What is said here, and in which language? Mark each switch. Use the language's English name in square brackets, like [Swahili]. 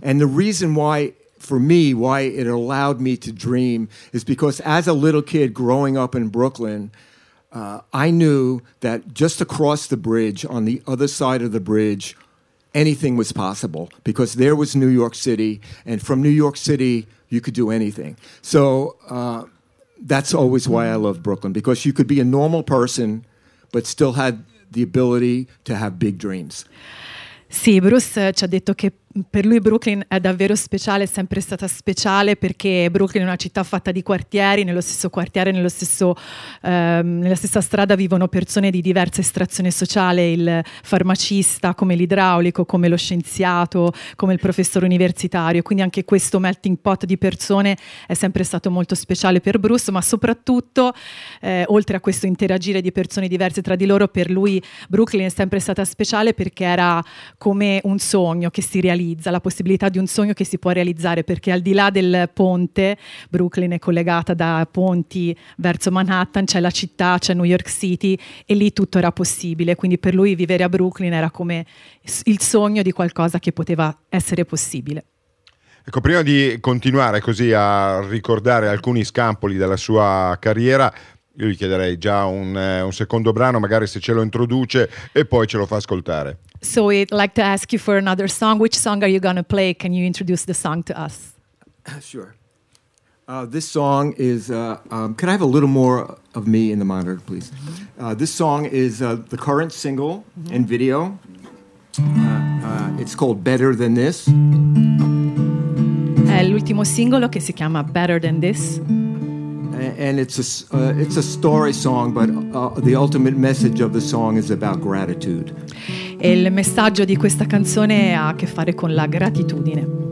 [English] And the reason why, for me, why it allowed me to dream is because as a little kid growing up in Brooklyn, I knew that just across the bridge, on the other side of the bridge, anything was possible, because there was New York City, and from New York City, you could do anything. So that's always why I love Brooklyn, because you could be a normal person, but still had the ability to have big dreams. [Italian] Sì, Bruce ci ha detto che per lui Brooklyn è davvero speciale, è sempre stata speciale, perché Brooklyn è una città fatta di quartieri, nello stesso quartiere, nello stesso, nella stessa strada vivono persone di diversa estrazione sociale, il farmacista come l'idraulico, come lo scienziato, come il professore universitario, quindi anche questo melting pot di persone è sempre stato molto speciale per Bruce, ma soprattutto oltre a questo interagire di persone diverse tra di loro, per lui Brooklyn è sempre stata speciale perché era come un sogno che si realizza, la possibilità di un sogno che si può realizzare, perché al di là del ponte, Brooklyn è collegata da ponti verso Manhattan, c'è la città, c'è New York City, e lì tutto era possibile, quindi per lui vivere a Brooklyn era come il sogno di qualcosa che poteva essere possibile. Ecco, prima di continuare così a ricordare alcuni scampoli della sua carriera, io gli chiederei già un secondo brano, magari se ce lo introduce, e poi ce lo fa ascoltare. [English] So we'd like to ask you for another song. Which song are you going to play? Can you introduce the song to us? Sure. This song is... can I have a little more of me in the monitor, please? This song is the current single and video. It's called Better Than This. [Italian] È l'ultimo singolo che si chiama Better Than This. [English] And it's a story song, but the ultimate message of the song is about gratitude. [Italian] E il messaggio di questa canzone ha a che fare con la gratitudine.